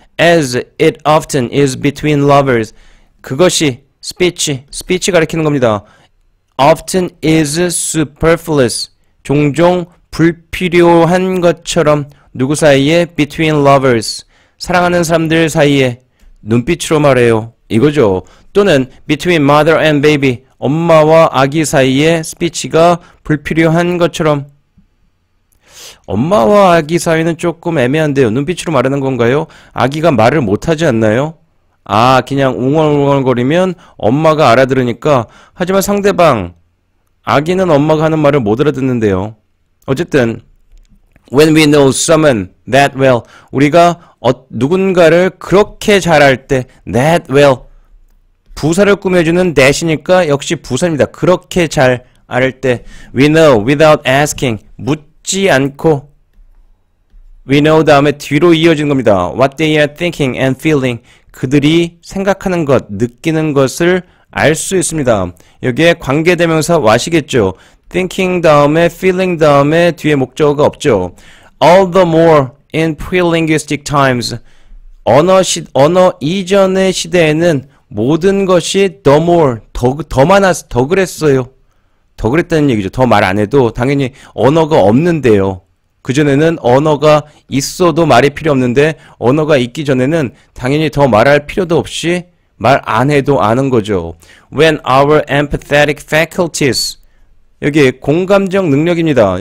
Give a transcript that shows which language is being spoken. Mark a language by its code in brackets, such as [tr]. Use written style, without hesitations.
[en] As it often is between lovers. [ko] 그것이 스피치 가리키는 겁니다. [en] Often is superfluous. [ko] 종종 불필요한 것처럼 누구 사이에? [en] Between lovers. [ko] 사랑하는 사람들 사이에 눈빛으로 말해요. 이거죠. [en] 또는 between mother and baby. [ko] 엄마와 아기 사이에 스피치가 불필요한 것처럼. 엄마와 아기 사이는 조금 애매한데요. 눈빛으로 말하는 건가요? 아기가 말을 못하지 않나요? 아, 그냥 웅얼웅얼거리면 엄마가 알아들으니까. 하지만 상대방, 아기는 엄마가 하는 말을 못 알아듣는데요. 어쨌든 [en] When we know someone that well, [ko] 우리가 누군가를 그렇게 잘할 때, that well, 부사를 꾸며주는 that이니까 역시 부사입니다. 그렇게 잘 알 때, [en] we know without asking, [ko] 묻지 않고, we know 다음에 뒤로 이어지는 겁니다. [en] What they are thinking and feeling, [ko] 그들이 생각하는 것, 느끼는 것을 알 수 있습니다. 여기에 관계대명사 와시겠죠? thinking 다음에 feeling 다음에 뒤에 목적어가 없죠. [en] All the more in pre-linguistic times. [ko] 언어 이전의 시대에는 모든 것이 the more, 더 그랬어요. 더 그랬다는 얘기죠. 더 말 안 해도 당연히 언어가 없는데요. 그전에는 언어가 있어도 말이 필요 없는데 언어가 있기 전에는 당연히 더 말할 필요도 없이 말 안 해도 아는 거죠. [en] When our empathetic faculties [ko] 여기 공감적 능력입니다.